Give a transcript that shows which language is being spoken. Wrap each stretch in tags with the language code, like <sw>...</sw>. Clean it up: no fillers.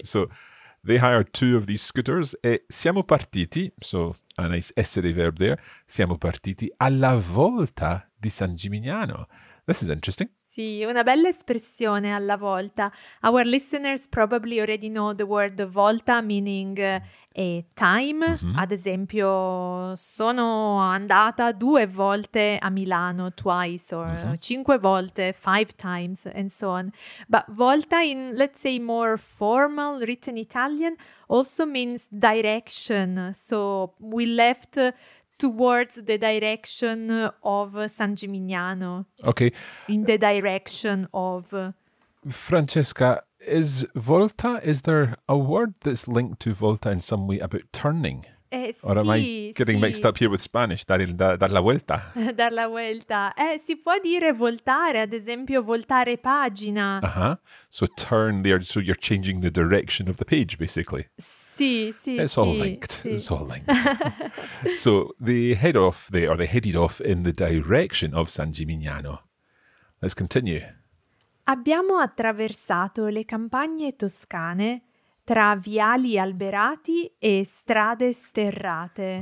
<en>So they hired two of these scooters.</en> <it>E siamo partiti,</it> <en>so a nice essere verb there,</en> <it>siamo partiti alla volta di San Gimignano.</it> <en>This is interesting.</en> <it>Sì, una bella espressione, alla volta.</it> <en>Our listeners probably already know the word volta, meaning time. Mm-hmm.</en> <it>Ad esempio, sono andata due volte a Milano,</it> <en>twice, or</en> <it>mm-hmm. cinque volte,</it> <en>five times, and so on. But volta in, let's say, more formal written Italian also means direction. So we left towards the direction of San Gimignano. Okay. In the direction of... Francesca, is volta, is there a word that's linked to volta in some way about turning? Or am</en> <it>sì,</it> <en>I getting</en> <it>sì.</it> <en>mixed up here with Spanish?</en> <es>Dar la vuelta. Dar la vuelta.</es> <it>Si può dire voltare, ad esempio, voltare pagina. Uh-huh.</it> <en>So turn there, so you're changing the direction of the page, basically.</en> <it>Sì, sì,</it> <en>it's all</en> <it>sì,</it> <en>linked.</en> <it>Sì.</it> <en>It's all linked. So they head off there, or they headed off in the direction of San Gimignano. Let's continue.</en> <it>Abbiamo attraversato le campagne toscane tra viali alberati e strade sterrate.</it>